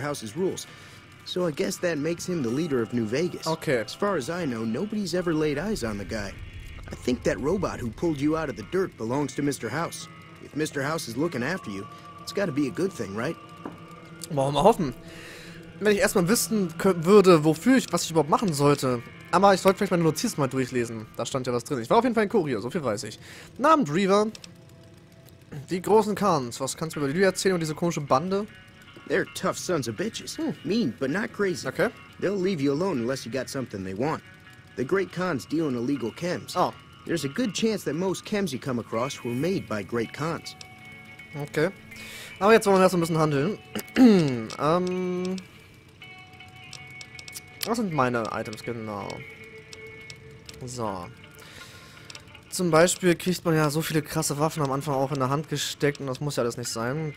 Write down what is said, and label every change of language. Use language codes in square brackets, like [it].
[en] House's rules, so I guess that makes him the leader of New Vegas. Okay. As far as I know, nobody's ever laid eyes on the guy. I think that robot who pulled you out of the dirt belongs to Mr. House. If Mr. House is looking after you, it's got to be a good thing, right? [de] Wollen wir mal hoffen. Wenn ich erstmal wissen würde, wofür ich, was ich überhaupt machen sollte. Aber ich sollte vielleicht meine Notizen mal durchlesen. Da stand ja was drin. Ich war auf jeden Fall ein Kurier, so viel weiß ich. Namens Reaver. Die großen Khans. Was kannst du über die erzählen und diese komische Bande? [en] They're tough sons of bitches. Mean, but not crazy. Okay. They'll leave you alone unless you got something they want. The great Khans deal in illegal chems. Oh. There's a good chance that most chems you come across were made by great Khans. Okay. [de] Aber jetzt wollen wir erst ein bisschen handeln. Was sind meine Items, genau. So. Zum Beispiel kriegt man ja so viele krasse Waffen am Anfang auch in der Hand gesteckt und das muss ja alles nicht sein.